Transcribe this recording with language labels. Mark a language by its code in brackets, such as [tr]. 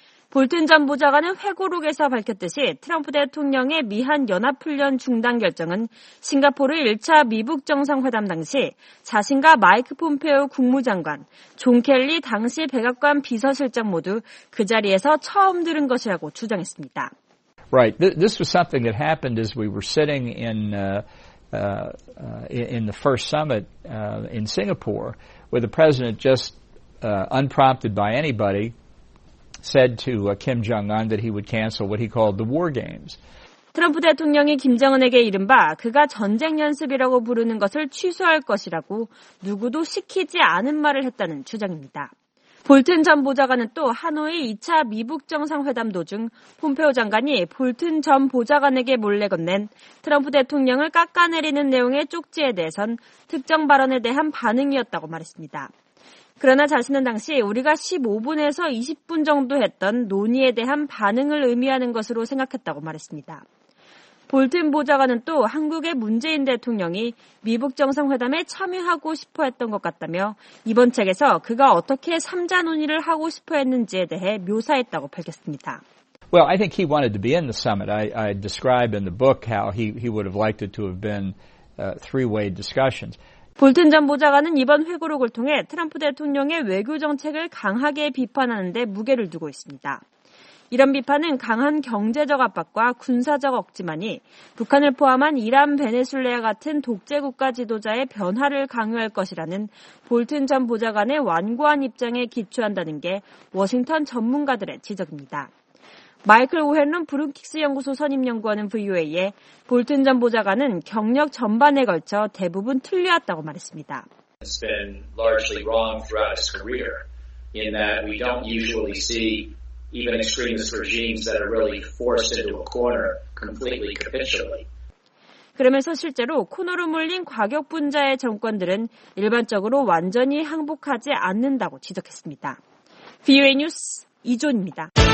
[ko] 볼튼 전 보좌관은 회고록에서 밝혔듯이 트럼프 대통령의 미한 연합훈련 중단 결정은 싱가포르 1차 미북 정상회담 당시 자신과 마이크 폼페오 국무장관, 존 켈리 당시 백악관 비서실장 모두 그 자리에서 처음 들은 것이라고 주장했습니다. [en] Right. This was something that happened as we were sitting in the first summit in Singapore where the president just unprompted by anybody said to Kim Jong-un that he would cancel what he called the war games. [ko] 트럼프 대통령이 김정은에게 이른바 그가 전쟁 연습이라고 부르는 것을 취소할 것이라고 누구도 시키지 않은 말을 했다는 주장입니다. 볼튼 전 보좌관은 또 하노이 2차 미북 정상회담 도중 폼페오 장관이 볼튼 전 보좌관에게 몰래 건넨 트럼프 대통령을 깎아내리는 내용의 쪽지에 대해선 특정 발언에 대한 반응이었다고 말했습니다. 그러나 자신은 당시 우리가 15분에서 20분 정도 했던 논의에 대한 반응을 의미하는 것으로 생각했다고 말했습니다. 볼튼 보좌관은 또 한국의 문재인 대통령이 미북 정상회담에 참여하고 싶어 했던 것 같다며 이번 책에서 그가 어떻게 3자 논의를 하고 싶어 했는지에 대해 묘사했다고 밝혔습니다. [en] Well, I think he wanted to be in the summit. I describe in the book how he would have liked it to have been three-way discussions. [ko] 볼튼 전 보좌관은 이번 회고록을 통해 트럼프 대통령의 외교 정책을 강하게 비판하는 데 무게를 두고 있습니다. 이런 비판은 강한 경제적 압박과 군사적 억지만이 북한을 포함한 이란, 베네수엘라 같은 독재국가 지도자의 변화를 강요할 것이라는 볼튼 전 보좌관의 완고한 입장에 기초한다는 게 워싱턴 전문가들의 지적입니다. 마이클 오헬론 브룬킥스 연구소 선임연구원은 VOA에 볼튼 전 보좌관은 경력 전반에 걸쳐 대부분 틀려왔다고 말했습니다. [en] It's been largely wrong throughout his career in that we don't usually see even extremist regimes that are really forced into a corner completely capitulate. [ko] 그러면서 실제로 코너로 몰린 과격분자의 정권들은 일반적으로 완전히 항복하지 않는다고 지적했습니다. VOA 뉴스 이존입니다.